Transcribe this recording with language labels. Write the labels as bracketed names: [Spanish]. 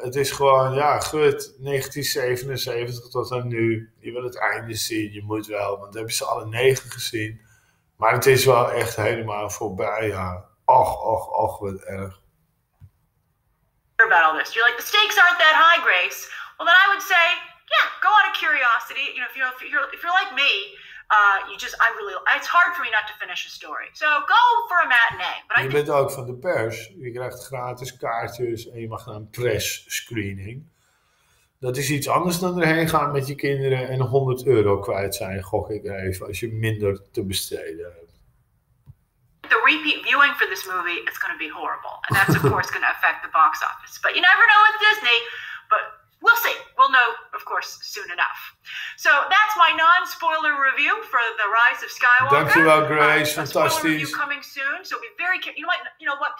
[Dutch] Het is gewoon, ja, goed, 1977 tot aan nu. Je wil het einde zien, je moet wel. Want dan hebben ze alle 9 gezien. Maar het is wel echt helemaal voorbij, ja. Och, och, och, wat erg. [English] About all this. You're like, the stakes aren't that high, Grace. Well, then I would say... Yeah, go out of curiosity. You know, if you're like me, it's hard for me not to finish a story. So go for a matinee. [Dutch] But je bent ook van de pers. Je krijgt gratis kaartjes en je mag naar een press screening. Dat is iets anders dan erheen gaan met je kinderen en €100 kwijt zijn, gok ik even, als je minder te besteden hebt. [English] The repeat viewing for this movie is going to be horrible. And that's of course going to affect the box office. But you never know with Disney, but... We'll see. We'll know, of course, soon enough. So that's my non-spoiler review for The Rise of Skywalker. Thank you, Grace. Fantastic. A spoiler review coming soon, so be very careful. You know what?